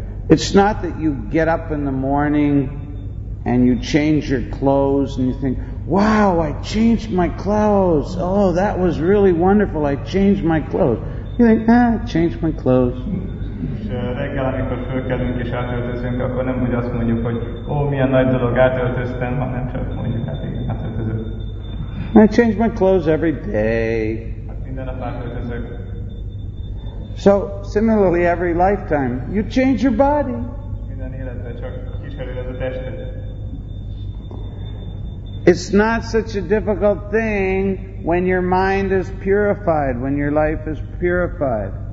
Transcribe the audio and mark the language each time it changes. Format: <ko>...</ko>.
<en>It's not that you get up in the morning and you change your clothes and you think, wow, I changed my clothes. Oh, that was really wonderful. I changed my clothes. You think, change my clothes.</en> <hu>És reggel, amikor fölkelünk és átöltözünk, akkor nem úgy azt mondjuk, hogy ó, milyen nagy dolog, átöltöztem, hanem csak mondjuk, hát igen, átöltözök.</hu> <en>I change my clothes every day.</en> <hu>Minden nap átöltözök.</hu> <en>So, similarly, every lifetime, you change your body.</en> <hu>Minden életben csak kicseréled a testet.</hu> <en>It's not such a difficult thing when your mind is purified, when your life is purified.</en>